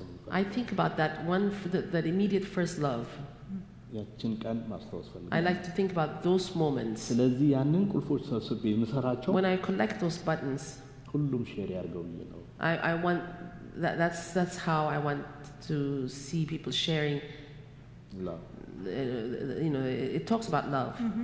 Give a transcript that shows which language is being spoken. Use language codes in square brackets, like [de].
[en] I think about that one, that immediate first love. [am] ያችን ቀን ማስተዋወስ ፈልጋለሁ. [en] I like to think about those moments. [am] ስለዚህ ያንን ቁልፎች ሰብስቤ ምሰራቸው. [en] When I collect those buttons. [am] ሁሉም ሼር ያርገውልኝ ነው. [en] I want that's how I want to see people sharing love. You know, it talks about love.